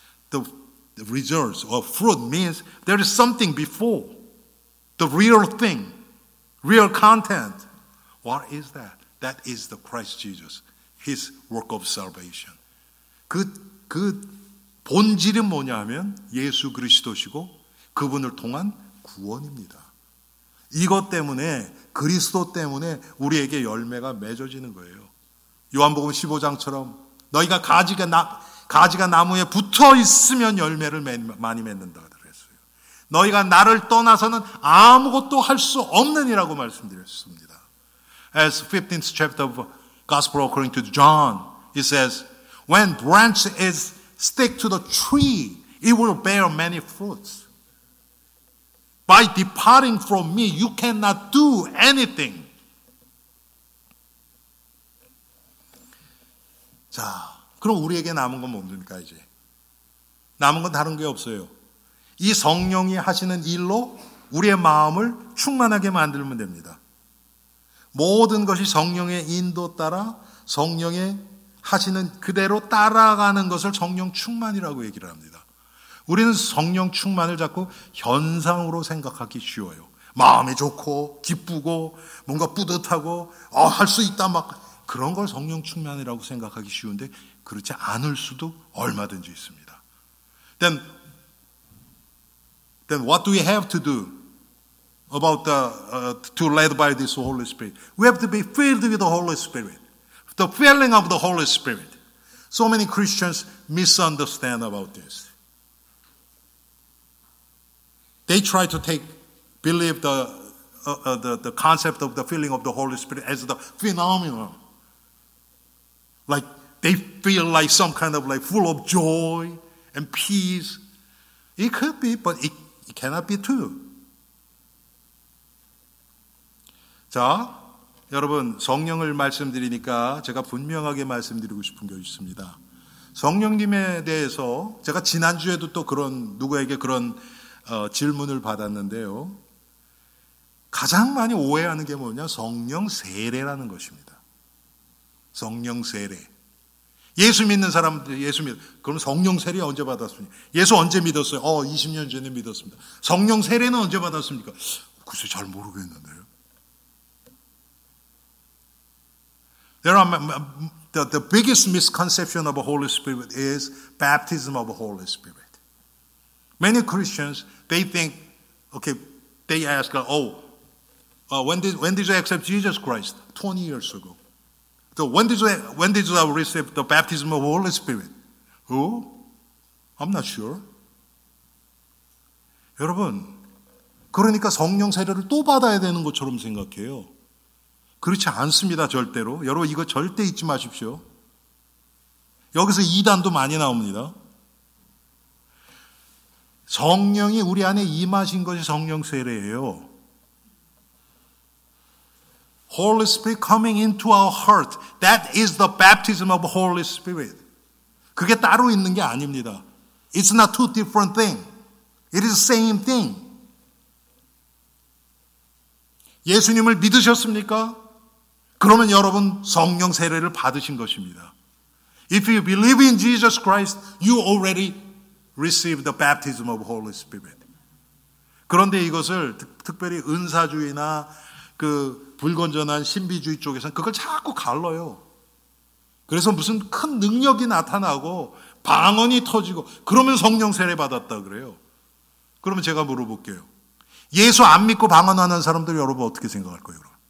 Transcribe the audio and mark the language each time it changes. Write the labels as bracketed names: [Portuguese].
[English] the results or fruit means there is something before. The real thing, real content. What is that? That is the Christ Jesus, his work of salvation. [Korean] 그 본질은 뭐냐면 예수 그리스도시고 그분을 통한 구원입니다. 이것 때문에 그리스도 때문에 우리에게 열매가 맺어지는 거예요. 요한복음 15장처럼 너희가 가지가 나무에 붙어 있으면 열매를 많이 맺는다 그랬어요. 너희가 나를 떠나서는 아무것도 할 수 없느니라고 말씀드렸습니다. [English] As 15th chapter of Gospel according to John, it says, when branch is stick to the tree, it will bear many fruits. By departing from me, you cannot do anything. [Korean] 자, 그럼 우리에게 남은 건 뭡니까, 이제? 남은 건 다른 게 없어요. 이 성령이 하시는 일로 우리의 마음을 충만하게 만들면 됩니다. 모든 것이 성령의 인도 따라 성령의 하시는 그대로 따라가는 것을 성령 충만이라고 얘기를 합니다. 우리는 성령 충만을 자꾸 현상으로 생각하기 쉬워요. 마음이 좋고 기쁘고 뭔가 뿌듯하고 할 수 있다 막 그런 걸 성령 충만이라고 생각하기 쉬운데 그렇지 않을 수도 얼마든지 있습니다. [English] Then what do we have to do about to led by this Holy Spirit? We have to be filled with the Holy Spirit. The filling of the Holy Spirit. So many Christians misunderstand about this. They try to believe the concept of the filling of the Holy Spirit as the phenomenon. Like they feel like some kind of like full of joy and peace. It could be, but it cannot be too. [Korean] 자. 여러분 성령을 말씀드리니까 제가 분명하게 말씀드리고 싶은 게 있습니다. 성령님에 대해서 제가 지난주에도 또 그런 누구에게 그런 질문을 받았는데요. 가장 많이 오해하는 게 뭐냐? 성령 세례라는 것입니다. 성령 세례. 예수 믿는 사람들 예수 믿어. 그럼 성령 세례 언제 받았습니까? 예수 언제 믿었어요? 20년 전에 믿었습니다. 성령 세례는 언제 받았습니까? 글쎄 잘 모르겠는데. [English] There are the biggest misconception of the Holy Spirit is baptism of the Holy Spirit. Many Christians, they think, okay, they ask, when did you accept Jesus Christ? 20 years ago. So when did you receive the baptism of the Holy Spirit? Who? I'm not sure. [Korean] 여러분, 그러니까 성령 세례를 또 받아야 되는 것처럼 생각해요. 그렇지 않습니다, 절대로. 여러분, 이거 절대 잊지 마십시오. 여기서 이단도 많이 나옵니다. 성령이 우리 안에 임하신 것이 성령 세례예요. [English] Holy Spirit coming into our heart. That is the baptism of Holy Spirit. [Korean] 그게 따로 있는 게 아닙니다. [English] It's not two different things. It is the same thing. [Korean] 예수님을 믿으셨습니까? 그러면 여러분 성령 세례를 받으신 것입니다. [English] If you believe in Jesus Christ, you already received the baptism of Holy Spirit. [Korean] 그런데 이것을 특별히 은사주의나 그 불건전한 신비주의 쪽에서는 그걸 자꾸 갈라요. 그래서 무슨 큰 능력이 나타나고 방언이 터지고 그러면 성령 세례 받았다 그래요. 그러면 제가 물어볼게요. 예수 안 믿고 방언하는 사람들 여러분 어떻게 생각할 거예요?